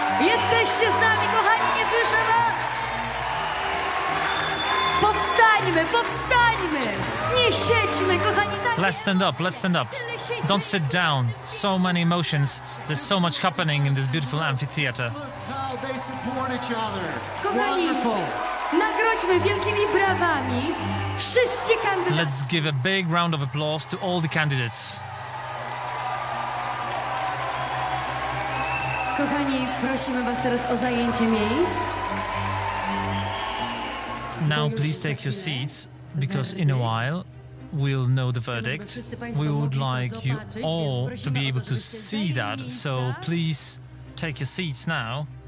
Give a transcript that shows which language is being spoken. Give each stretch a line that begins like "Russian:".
Polish: Jesteście z nami, kochani, nie słyszymy! Powstańmy, powstańmy! Nie siedźmy, kochani, tak!
English: Let's stand up, let's stand up. Don't sit down. So many emotions. There's so much happening in this beautiful amphitheater. They support each other.
Polish: Kochani,
English: wonderful.
Polish: Nagrodźmy wielkimi brawami wszystkie kandydaty.
English: Let's give a big round of applause to all the candidates.
Polish: Kochani, prosimy was teraz o zajęcie miejsc.
English: Now please take your seats, because in a while we'll know the verdict. We would like you all to be able to see that, so please take your seats now.